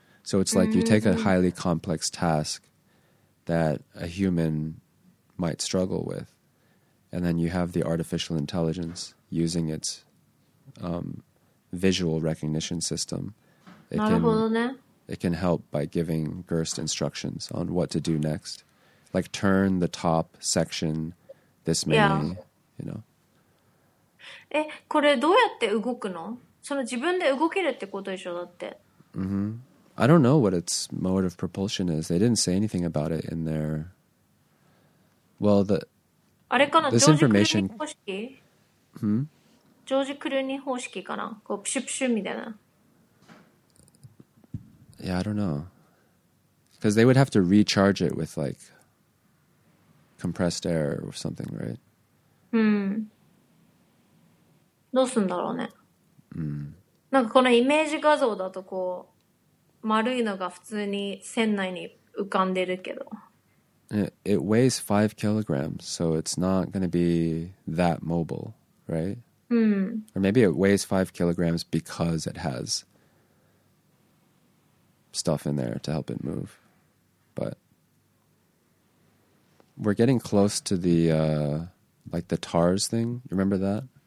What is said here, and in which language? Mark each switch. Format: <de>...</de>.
<en>So it's like you take a highly complex task that a human might struggle with, and then you have the artificial intelligence using its visual recognition system. It can help by giving Gerst instructions on what to do next. Like turn the top section this many, you know.</en> <ja>これどうやって動くの？その自分で動けるってことでしょ、だって。 Mm-hmm.</ja> <en>I don't know what its mode of propulsion is. They didn't say anything about it in their... Well, the...</en> <ja>あれかな？</ja> <en>This information...</en> <ja>ジョージ・クルーニー方式？ Hmm? ジョージ・クルーニー方式かな？こうプシュプシュみたいな。</ja> <en>Yeah, I don't know. Because they would have to recharge it with, like, compressed air or something, right?</en> <ja>Hmm. どうすんだろうね。 Hmm. なんかこのイメージ画像だとこう、丸いのが普通に船内に浮かんでるけど。</ja> <en>It weighs 5 kilograms, so it's not going to be that mobile, right? Hmm. Or maybe it weighs 5 kilograms because it has... stuff in there to help it move, but we're getting close to the like the TARS thing. Remember that?</en>